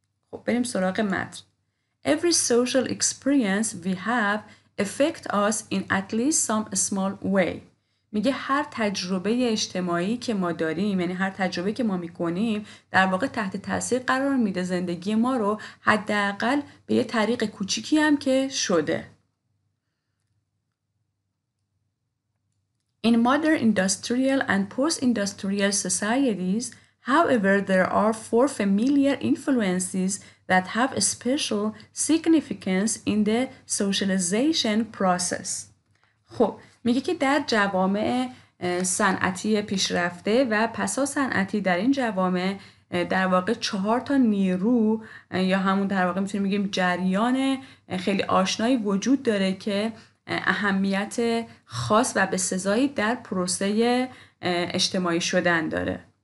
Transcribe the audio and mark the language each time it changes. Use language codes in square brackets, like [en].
[fa] خب بریم سراغ متن. [en] Every social experience we have affect us in at least some small way. [fa] میگه هر تجربه اجتماعی که ما داریم، یعنی هر تجربه که ما میکنیم در واقع تحت تاثیر قرار میده زندگی ما رو، حداقل به یه طریق کوچیکی هم که شده. [en] In modern industrial and post-industrial societies, however, there are four familiar influences that have a special significance in the socialization process. [fa] خب میگه که در جوامع صنعتی پیشرفته و پسا صنعتی، در این جوامع در واقع چهار تا نیرو یا همون در واقع میتونیم بگیم جریان خیلی آشنایی وجود داره که اهمیت خاص و به سزایی در پروسه اجتماعی شدن داره.